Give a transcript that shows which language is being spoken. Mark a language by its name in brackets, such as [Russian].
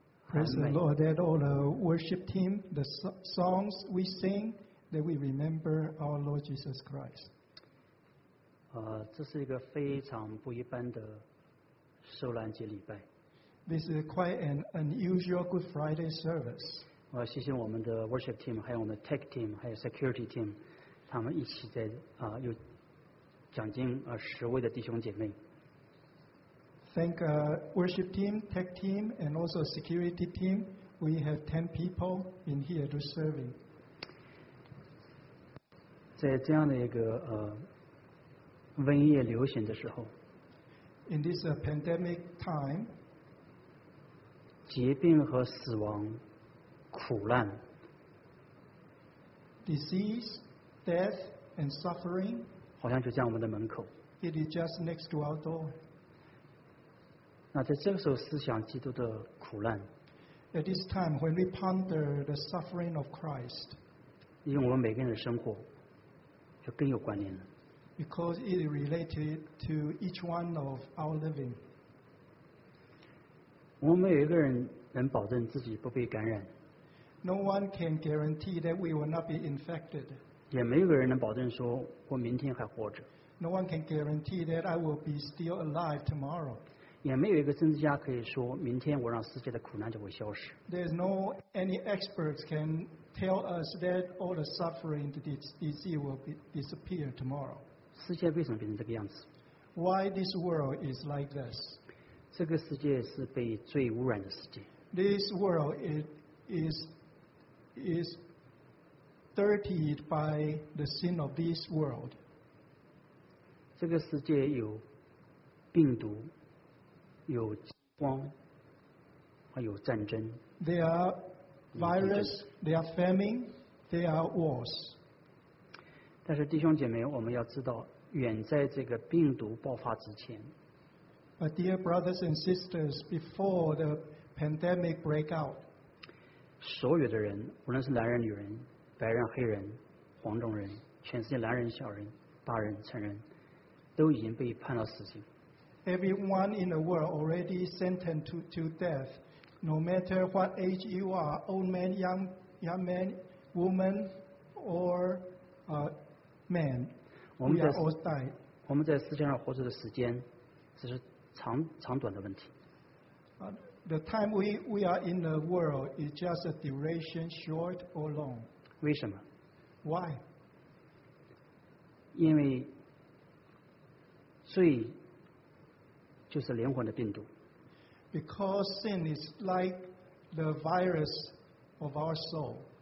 [English] Praise the Lord that all the worship team, the songs we sing, that we remember our Lord Jesus Christ. [Chinese] 这是一个非常不一般的受难节礼拜。 [English] This is quite an unusual Good Friday service. [Chinese] 我要谢谢我们的 worship team, 还有我们的 tech team, 还有 security team, 他们一起在有将近十位的弟兄姐妹。 [English] Thank worship team, tech team, and also security team. We have 10 people in here to serving. [Chinese] 在这样的一个瘟疫流行的时候 [English] ，In this pandemic time, [Chinese] 疾病和死亡、苦难 [English] ，disease, death, and suffering， [Chinese] 好像就在我们的门口 [English] ，It is just next to our door。 [Chinese] 那在这个时候思想基督的苦难 [English] At this time when we ponder the suffering of Christ [Chinese] 因为我们每个人的生活就更有关联了 [English] Because it is related to each one of our living [Chinese] 我们有一个人能保证自己不被感染 [English] No one can guarantee that we will not be infected [Chinese] 也没有人能保证说我明天还活着 [English] No one can guarantee that I will be still alive tomorrow [Chinese] 也没有一个政治家可以说明天我让世界的苦难就会消失。 [English] There is no any experts can tell us that all the suffering, the disease will disappear tomorrow. [Chinese] 世界为什么变成这个样子 [English] ？Why this world is like this? [Chinese] 这个世界是被罪污染的世界。 [English] This world is dirtied by the sin of this world. [Chinese] 这个世界有病毒。有饥荒，还有战争。 [English] There are virus, there are famine, there are wars. [Chinese] 但是弟兄姐妹，我们要知道，远在这个病毒爆发之前。 [English] But dear brothers and sisters, before the pandemic break out, [Chinese] 所有的人，无论是男人、女人、白人、黑人、黄种人，全世界男人、小人、大人、成人，都已经被判了死刑。 [English] Everyone in the world already sentenced to death, no matter what age you are, old man, young man, woman, or man, we are all dying. [Chinese] 我们在世界上活着的时间，只是长短的问题。 [English] The time we are in the world is just a duration, short or long. [Chinese] 为什么 [English] ？Why? [Chinese] 因为最就是灵魂的病毒。 [English] Because sin is like the virus of our soul.